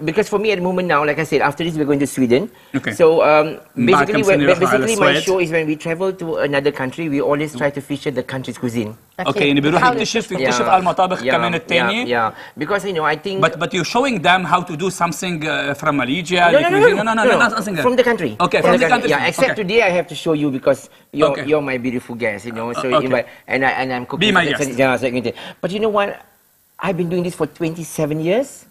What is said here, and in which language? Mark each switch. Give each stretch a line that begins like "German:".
English: Because for me at the moment now, like I said, after this we're going to Sweden. Okay. So basically my show is when we travel to another country, we always try to feature the country's cuisine. Okay.
Arabic: يعني بيروح يكتشف يكتشف المطابخ كمان التاني.
English: Yeah. Because you know, I think. But you're showing them how to do something from Malaysia. No. From the country. Okay. From the country. Yeah. Except today I have to show you because you're my beautiful guest, you know. So invite and I'm cooking. Be my guest. Yeah. But you know. Well, I've been doing this for 27 years.